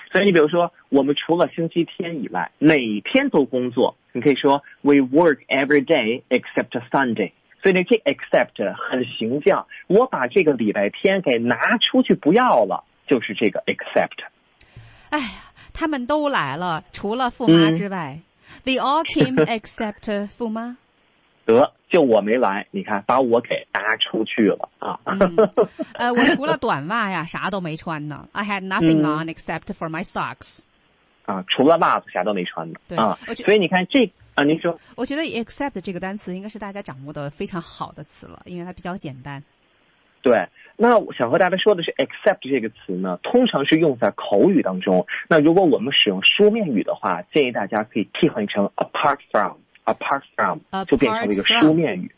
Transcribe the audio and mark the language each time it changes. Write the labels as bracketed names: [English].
[Chinese] 所以你比如说我们除了星期天以外哪天都工作，你可以说 [English] We work every day except Sunday。 [Chinese] 所以呢，这 except 很形象，我把这个礼拜天给拿出去不要了，就是这个 except。哎呀，他们都来了除了富妈之外，嗯， [English] They all came except 富妈， [Chinese] 得，就我没来，你看把我给搭出去了啊。我除了短袜呀啥都没穿呢。 [English] I had nothing on except for my socks。 [Chinese] 啊，除了袜子啥都没穿呢。对啊，所以你看这啊，您说。我觉得 except 这个单词应该是大家掌握的非常好的词了，因为它比较简单。对，那我想和大家说的是 accept 这个词呢通常是用在口语当中。那如果我们使用书面语的话，建议大家可以替换成 apart from 就变成了一个书面语。